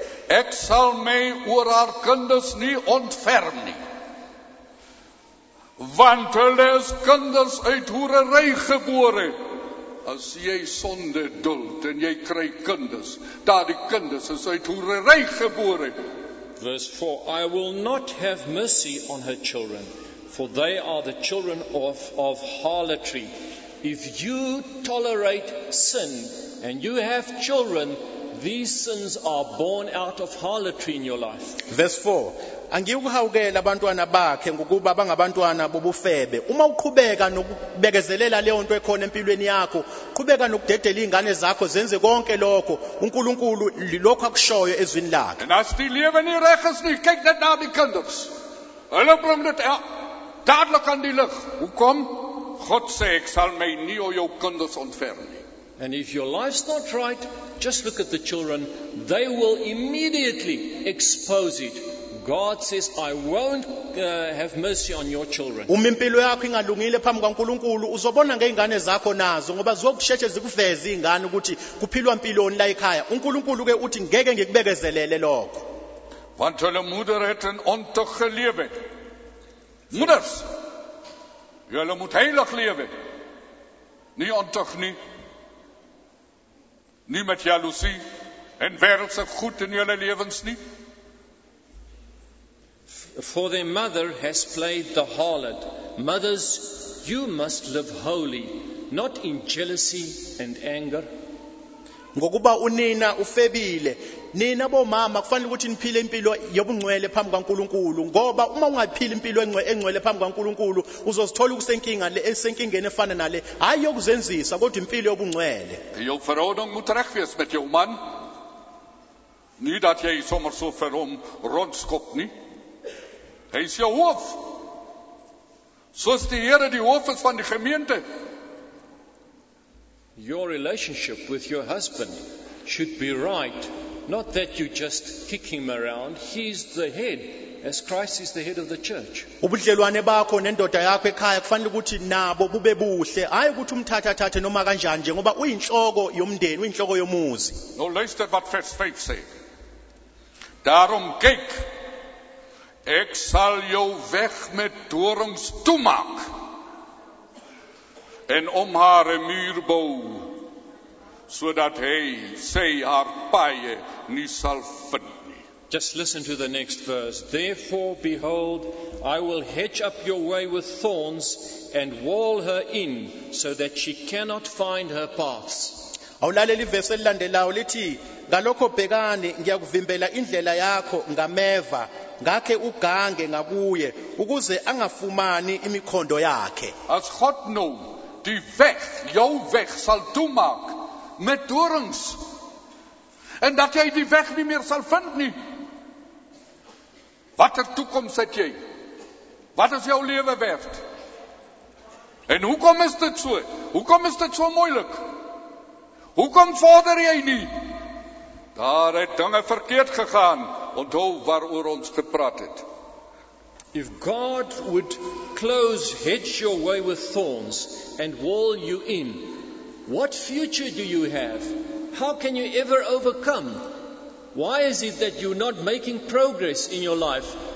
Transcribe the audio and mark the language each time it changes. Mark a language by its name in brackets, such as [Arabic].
[Afrikaans] Ek sal my oor haar kinders nie ontferm nie. Want hulle is kinders uit hoerery gebore. As jy sonde duld en jy kry kinders, daardie kinders is uit hoerery gebore. [English] Verse 4. I will not have mercy on her children, for they are the children of harlotry. If you tolerate sin and you have children, these sins are born out of harlotry in your life. Verse 4. [Zulu] Angiyukuhawukela abantwana bakhe ngokuba bangabantwana bobufebe. Uma uqhubeka nokubekezelela leyo nto ekhona empilweni yakho, qhubeka nokudedela iy'ngane zakho, zenze konke lokho, uNkulunkulu lilokho akushoyo ezwini lakhe. [Afrikaans] And as die lewe nie reg is nie, kyk net na die kinders. Hulle bring dit dadelik aan die lig. Hoekom? God sê, ek sal my nie oor jou kinders ontferm nie. [English] And if your life's not right, just look at the children. They will immediately expose it. God says, I won't have mercy on your children. [Zulu] Uma impilo yakho ingalungile phambi kwaNkulunkulu, uzobona ngezingane zakho nazo, ngoba zokusheshe zikuveze izingane ukuthi kuphilwa impiloni la ekhaya. UNkulunkulu ke uthi ngeke ngikubekezelele lokho. [Afrikaans] Want hulle moeder het in ontug gelewe. Moeders, julle moet heilig lewe. Nie ontug nie. Nie met jaloesie en wereldse goed in julle lewens nie. [English] For their mother has played the harlot. Mothers, you must live holy, not in jealousy and anger. [Zulu] Ngokuba unina ufebile, nina bomama kufanele ukuthi niphile impilo yobungcwele phambi kaNkulunkulu, ngoba uma ungaphili impilo engcwele phambi kaNkulunkulu, uzozithola ukusenkinga le esenkingeni efana nale, hayi yokuzenzisa kodwa impilo yobungcwele. [Afrikaans] Jou verhouding moet reg wees met jou man. Nie dat jy sommer so vir hom rondskop nie. Hy is jou hoof. Soos die Here die hoof is van die gemeente. [English] Your relationship with your husband should be right. Not that you just kick him around. He's the head, as Christ is the head of the church. [Zulu] Ubudlelwane bakho nendoda yakho ekhaya kufanele ukuthi nabo bube buhle. Hayi ukuthi umthathathathe noma kanjani nje ngoba uyinhloko yomndeni, uyinhloko yomuzi. [English] No, listen what first faith say. [Afrikaans] Daarom kyk. Ek sal jou weg met dorings toemaak en om haar een muur bou, sodat hy sy haar paie nie sal vind nie. [English] Just listen to the next verse. Therefore, behold, I will hedge up your way with thorns and wall her in, so that she cannot find her paths. [Zulu] Awulaleli verse elilandelayo lithi, ngalokho bhekani ngiyakuvimbela indlela yakho ngameva, ngakhe ugange ngakuye ukuze angafumani imikhondo yakhe. [Afrikaans] As God know, die weg, jou weg sal toemaak met dorings. En dat jy die weg nie meer sal vind nie. Watter toekoms het jy? Wat is jou lewe werd? En hoekom is dit so? Hoekom is dit so moeilik? Hoekom vorder jy nie? Daar het dinge verkeerd gegaan. Onthou waaroor ons gepraat het. [English] If God would close, hedge your way with thorns and wall you in, what future do you have? How can you ever overcome? Why is it that you're not making progress in your life?